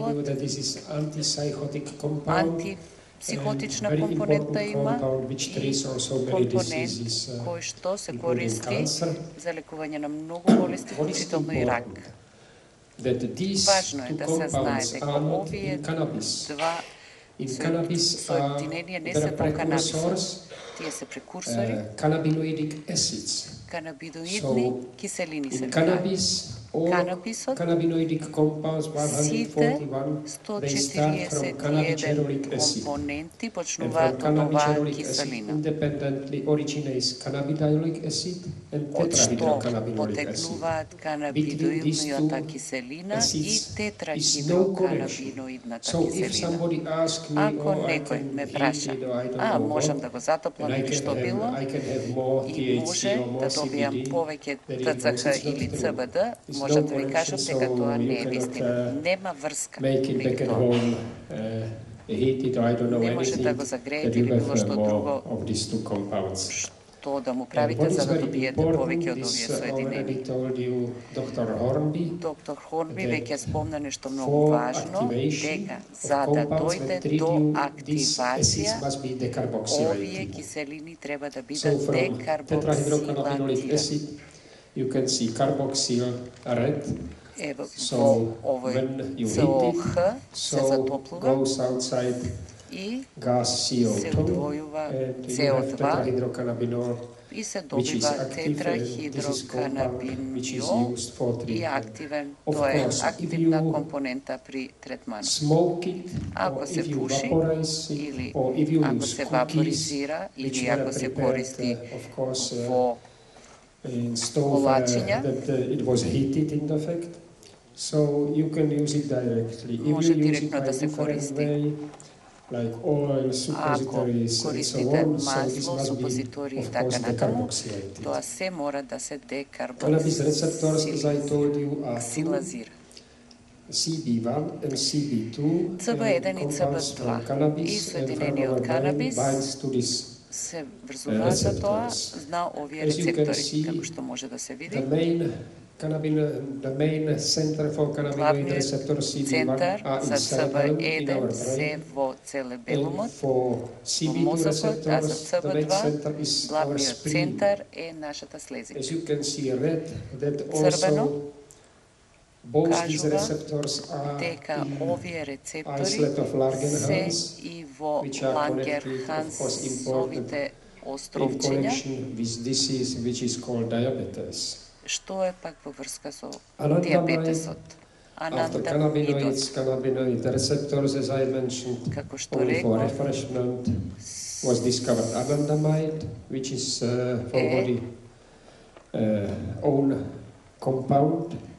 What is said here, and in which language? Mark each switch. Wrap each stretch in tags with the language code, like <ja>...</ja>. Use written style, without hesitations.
<en>What we do, that this is anti-psychotic compound,</en> <mk>психотична компонента има и компонент кој што се користи за лекување на многу болести, вклучително и рак. Важно е да се знае дека овие два соединенија не се по канабис, тие се прекурсори, канабиноидни киселини се прават.</mk> <en>Cannabisot, cannabinoidic compounds 141, they start from cannabigerolic acid. And from cannabigerolic acid independently originates cannabidiolic acid and tetrahydrocannabinolic acid. Between these two acids is no correction. So if somebody asks me, I can have more THC or more CBD, that is not true.</en> <mk>Да ви кажам дека тоа не е вистина, нема врска меѓу тоа. Не може да го загреете или било што друго што да му правите за да добиете повеќе од овие соединени. Доктор Хорнби веќе спомна нешто многу важно, дека за да дојде до активација, овие киселини треба да бидат декарбоксилирани.</mk> <en>You can see carboxyl red, so when you heat it, so goes outside gas CO2, and you have tetrahydrocannabinol, which is active, this is compound which is used for treatment. Of course, if you smoke it, or if you vaporize it, or if you use cookies, which were prepared, of course, in stove that it was heated in the fact, so you can use it directly. If you use it in a different way, like oil, suppositories, and so on, so this must be, of course, decarboxylated. Cannabis receptors, as I told you, are two. CB1 and CB2, and compounds from cannabis, and from our brain binds to this.</en> <mk>Се врзува за тоа, зна овие рецептори, како што може да се види.</mk> <en>The main center for cannabinoid receptor CB1 is cerebral in our brain. And for CB2 receptors, the main center is our spleen. As you can see, red, that also both these receptors are in islet of Langerhans, which are connected, of course, important in connection with disease, which is called diabetes.</en> <mk>Што е пак во врска со диабетесот?</mk> <en>After cannabinoids, cannabinoid receptors, as I mentioned, only for refreshment, was discovered anandamide, which is for body own compound.</en>